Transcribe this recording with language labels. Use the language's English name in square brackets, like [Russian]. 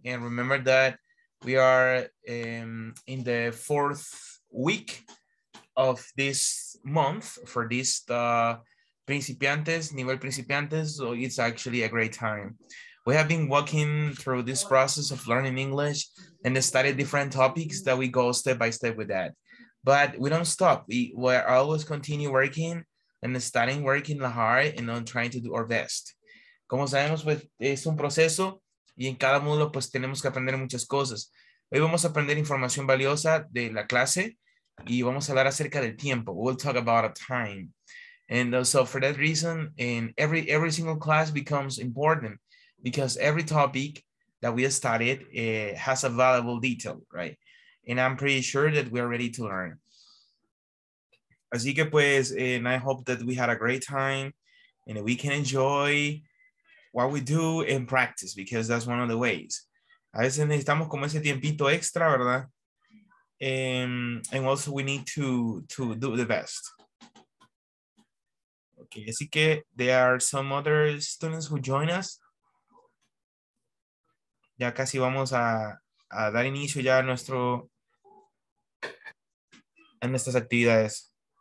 [English] And remember that we are in the fourth week of this month for this principiantes, [Spanish] nivel principiantes, [English] so it's actually a great time. We have been walking through this process of learning English and study different topics that we go step by step with that. But we don't stop. We always continue working and studying, working hard and on trying to do our best. [Spanish] Como sabemos, pues, es un proceso y en cada módulo pues tenemos que aprender muchas cosas. Hoy vamos a aprender información valiosa de la clase y vamos a hablar acerca del tiempo. [English] We'll talk about a time. And so for that reason, in every single class becomes important because every topic that we studied has a valuable detail, right? And I'm pretty sure that we are ready to learn. [Spanish] Así que pues, [English] and I hope that we had a great time and we can enjoy what we do in practice because that's one of the ways. [Spanish] A veces necesitamos como ese tiempito extra, ¿verdad? [English] And also we need to do the best. Okay, [Spanish] así que [English] there are some other students who join us. [Spanish] Ya casi vamos a dar inicio ya a nuestro en nuestras actividades.